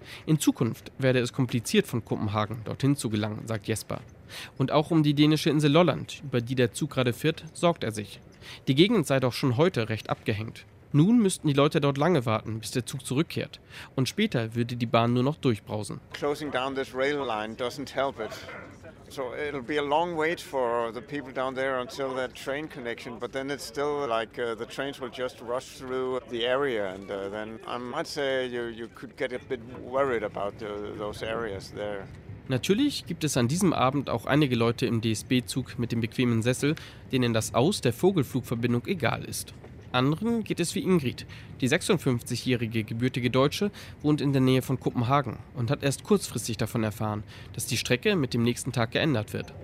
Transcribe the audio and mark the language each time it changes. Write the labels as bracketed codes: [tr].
[de] In Zukunft werde es kompliziert, von Kopenhagen dorthin zu gelangen, sagt Jesper. Und auch um die dänische Insel Lolland, über die der Zug gerade fährt, sorgt er sich. Die Gegend sei doch schon heute recht abgehängt. Nun müssten die Leute dort lange warten, bis der Zug zurückkehrt. Und später würde die Bahn nur noch durchbrausen. [en] Closing down this rail line doesn't help it. So it'll be a long wait for the people down there until that train connection. But then it's still like the trains will just rush through the area. And then I might say you could get a bit worried about those areas there. [de] Natürlich gibt es an diesem Abend auch einige Leute im DSB-Zug mit dem bequemen Sessel, denen das Aus der Vogelflugverbindung egal ist. Anderen geht es wie Ingrid. Die 56-jährige gebürtige Deutsche wohnt in der Nähe von Kopenhagen und hat erst kurzfristig davon erfahren, dass die Strecke mit dem nächsten Tag geändert wird.